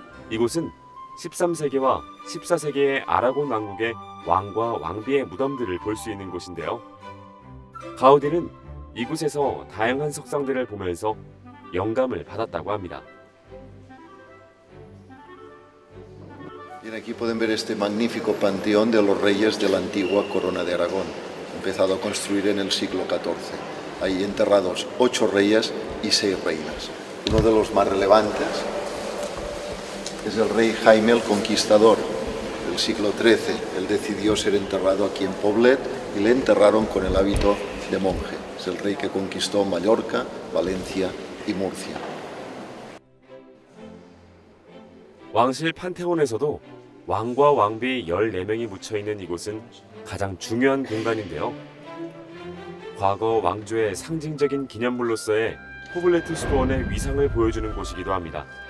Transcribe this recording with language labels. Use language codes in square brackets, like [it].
[ko] 이곳은 13세기와 14세기의 아라곤 왕국의 왕과 왕비의 무덤들을 볼 수 있는 곳인데요. 가우디는 이곳에서 다양한 석상들을 보면서 영감을 받았다고 합니다. [es] Bien, aquí pueden ver este magnífico panteón de los reyes de la antigua corona de Aragón, empezado a construir en el siglo XIV. Ahí enterrados 8 reyes y 6 reinas. Uno de los más relevantes es el rey Jaime el Conquistador, del siglo XIII. Él decidió ser enterrado aquí en Poblet y le enterraron con el hábito de monje. Es el rey que conquistó Mallorca, Valencia y Murcia. [ko] 왕실 판테온에서도 왕과 왕비 14명이 묻혀있는 이곳은 가장 중요한 공간인데요. 과거 왕조의 상징적인 기념물로서의 포블레트 수도원의 위상을 보여주는 곳이기도 합니다.